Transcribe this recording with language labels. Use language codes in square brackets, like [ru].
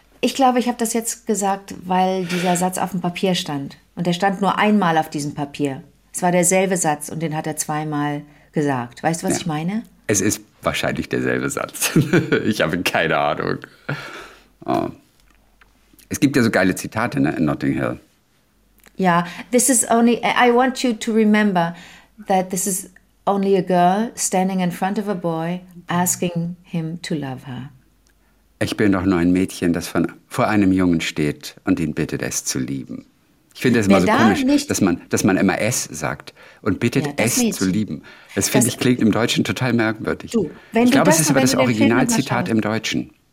[de] Ich glaube, ich habe das jetzt gesagt, weil dieser Satz auf dem Papier stand. Und der stand nur einmal auf diesem Papier. Es war derselbe Satz und den hat er zweimal gesagt. Weißt du, was ich meine? Es ist Wahrscheinlich derselbe Satz. Ich habe keine Ahnung. Oh. Es gibt ja so geile Zitate, ne, in Notting Hill. [en] Ja, this is only, I want you to remember that this is only a girl standing in front of a boy asking him to love her. [de] Ich bin doch nur ein Mädchen, das vor einem Jungen steht und ihn bittet, es zu lieben. Ich finde das immer so komisch, dass man immer es sagt und bittet, ja, es zu lieben. Das finde ich, klingt im Deutschen total merkwürdig. Ich glaube, es ist aber das Originalzitat im Deutschen.